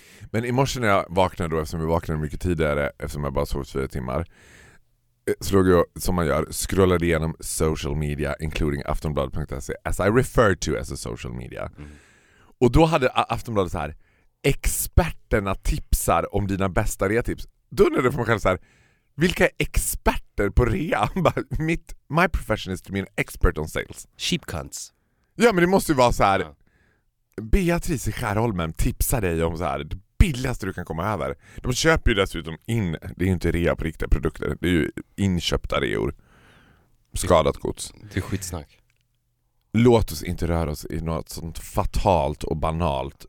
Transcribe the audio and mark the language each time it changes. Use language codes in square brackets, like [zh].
[sv] Men i morse när jag vaknade då, eftersom jag vaknade mycket tidigare, eftersom jag bara sov 4 timmar, slog jag, som man gör, scrollade igenom social media, [en] including aftonbladet.se, as I refer to as a social media. [sv] Mm. Och då hade Aftonbladet så här, experterna tipsar om dina bästa reatips. Då undrade jag för mig själv så här, vilka experter på rea? [en] My profession is to be an expert on sales. Sheep cunts. [sv] Ja, men det måste ju vara så här, Beatrice Skärholmen tipsar dig om så här, billigaste du kan komma över. De köper ju dessutom in, det är ju inte rea på riktiga produkter, det är ju inköpta reor. Skadat gods. Det är skitsnack. Låt oss inte röra oss i något sånt fatalt och banalt.